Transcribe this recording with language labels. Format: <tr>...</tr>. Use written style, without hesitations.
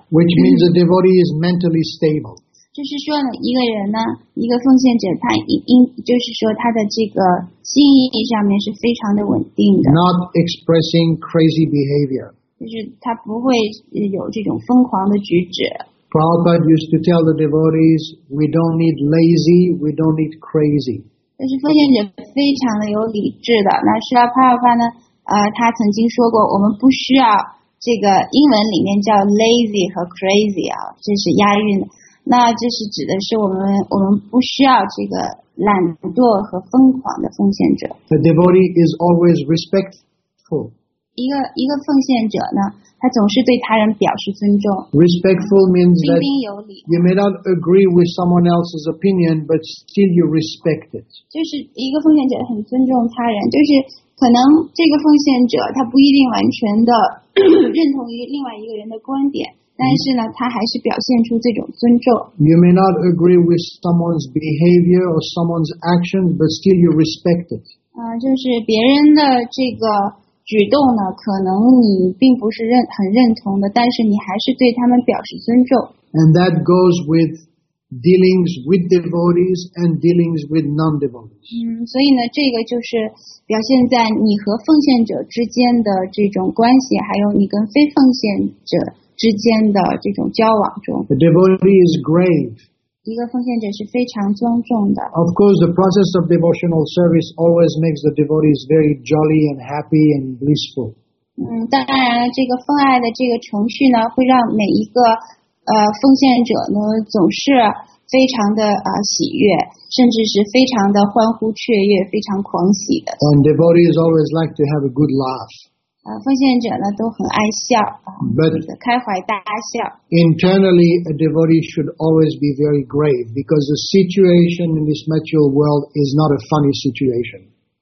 <en>Which means the devotee is mentally stable.</en> <zh>就是说呢，一个人呢，一个奉献者，他就是说他的这个心意上面是非常的稳定的。</zh> <en>Not expressing crazy behavior.</en> <zh>就是他不会有这种疯狂的举止。</zh> <en>Prabhupada used to tell the devotees, "We don't need lazy, we don't need crazy."</en> <zh>但是奉献者非常的有理智的。那释迦牟尼佛呢？他曾经说过，我们不需要这个英文里面叫 lazy 和 crazy 啊，这是押韵的。那这是指的是我们不需要这个懒惰和疯狂的奉献者。</zh> <en>The devotee is always respectful.</en> <zh>一个奉献者呢，他总是对他人表示尊重。</zh> <en>Respectful means that</en> <zh>彬彬有礼。</zh> <en>You may not agree with someone else's opinion, but still you respect it.</en> <zh>就是一个奉献者很尊重他人，就是可能这个奉献者他不一定完全的认同于另外一个人的观点。但是呢，他还是表现出这种尊重。</zh> <en>You may not agree with someone's behavior or someone's actions, but still you respect it.</en> <zh>就是别人的这个举动呢，可能你并不是很认同的，但是你还是对他们表示尊重。</zh> <en>And that goes with dealings with devotees and dealings with non-devotees.</en> <zh>所以呢，这个就是表现在你和奉献者之间的这种关系，还有你跟非奉献者之间的这种交往中。</zh> <en>The devotee is grave.</en> <zh>一个奉献者是非常庄重的。</zh> <en>Of course, the process of devotional service always makes the devotees very jolly and happy and blissful.</en> <zh>当然了，这个奉爱的这个程序呢，会让每一个奉献者呢，总是非常的喜悦，甚至是非常的欢呼雀跃，非常狂喜的。</zh> <en>And devotees always like to have a good laugh.</en> <zh>奉献者呢都很爱笑，开怀大笑。</zh> <en>Internally, a devotee should always be very grave because the situation in this material world is not a funny situation.</en>